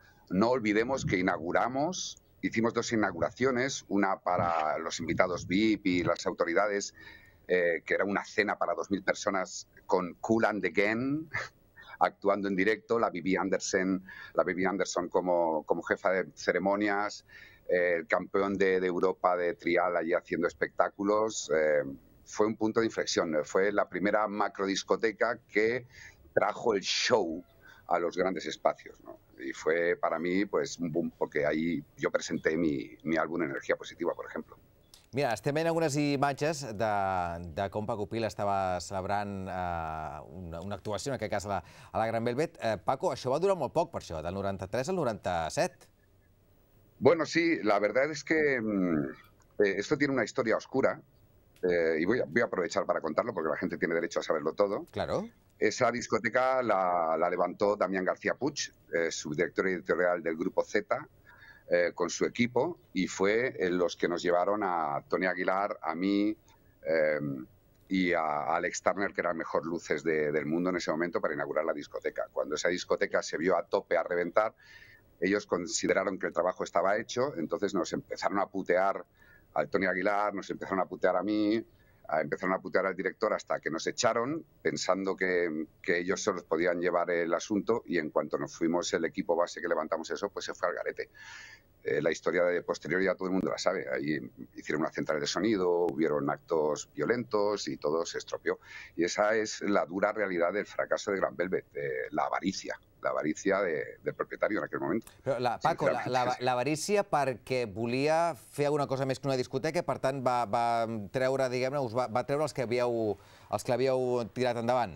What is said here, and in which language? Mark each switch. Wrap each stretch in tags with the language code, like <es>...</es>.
<es>No olvidemos que inauguramos, hicimos dos inauguraciones, una para los invitados VIP y las autoridades, que era una cena para 2.000 personas con Cool and the Gang, actuando en directo, la Bibi Anderson como jefa de ceremonias, el campeón de Europa de trial allí haciendo espectáculos. Fue un punto de inflexión, fue la primera macro discoteca que trajo el show a los grandes espacios, ¿no? Y fue para mí pues un boom, porque ahí yo presenté mi álbum Energía Positiva, por ejemplo.</es> <ca>Mira, estem veient algunes imatges de com Paco Pil estava celebrant una actuació, en aquest cas a la Gran Velvet. Paco, això va durar molt poc, per això, del 93 al 97.</ca> <es>Bueno, sí, la verdad es que esto tiene una historia oscura y voy a aprovechar para contarlo porque la gente tiene derecho a saberlo todo. Claro. Esa discoteca la levantó Damián García Puig, subdirector editorial del Grupo Zeta, con su equipo, y fue los que nos llevaron a Tony Aguilar, a mí y a Alex Turner, que eran mejor luces del mundo en ese momento, para inaugurar la discoteca. Cuando esa discoteca se vio a tope, a reventar, ellos consideraron que el trabajo estaba hecho, entonces nos empezaron a putear al Tony Aguilar, nos empezaron a putear a mí, empezaron a putear al director hasta que nos echaron, pensando que ellos se los podían llevar el asunto, y en cuanto nos fuimos el equipo base que levantamos eso, pues se fue al garete. La historia de posterior ya todo el mundo la sabe. Ahí hicieron una central de sonido, hubieron actos violentos y todo se estropeó. Y esa es la dura realidad del fracaso de Gran Velvet, la avaricia del propietario en aquel momento.</es> <ca>Però Paco, la avarícia perquè volia fer alguna cosa més que una discoteca, per tant va treure, diguem-ne, va treure els que havíeu tirat endavant.</ca>